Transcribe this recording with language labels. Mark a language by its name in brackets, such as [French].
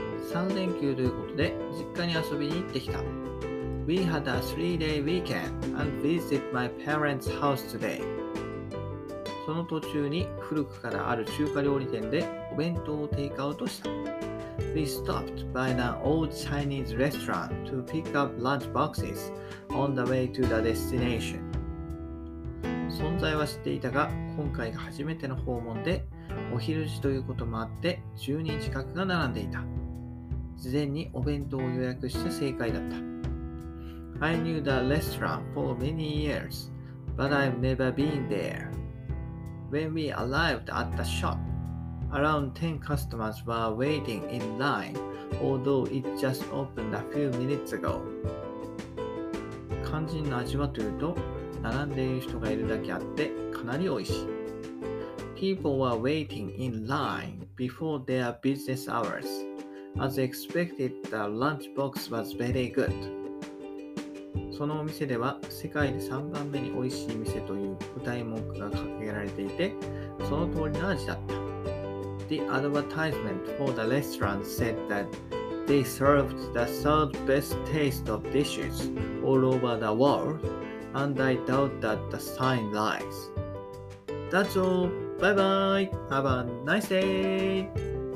[Japanese] 3連休ということで実家に遊びに行ってきた。 [English] We had a 3-day weekend and visited my parents' house today. [Japanese] その途中に古くからある中華料理店でお弁当をテイクアウトした。 [English] We stopped by an old Chinese restaurant to pick up lunch boxes on the way to the destination. [Japanese] 存在は知っていたが、今回が初めての訪問で、お昼時ということもあって10人近くが並んでいた。事前にお弁当を予約して正解だった。 [English] I knew the restaurant for many years, but I've never been there. When we arrived at the shop,Around 10 customers were waiting in line, although it just opened a few minutes ago. [Japanese] 肝心の味はというと、並んでいる人がいるだけあって、かなり美味しい。 [English] People were waiting in line before their business hours. As expected, the lunchbox was very good. [Japanese] そのお店では、世界で3番目に美味しい店という舞台文句が掲げられていて、その通りの味だった。 [English] The advertisement for the restaurant said that they served the third best taste of dishes all over the world, and I doubt that the sign lies. That's all. Bye bye. Have a nice day.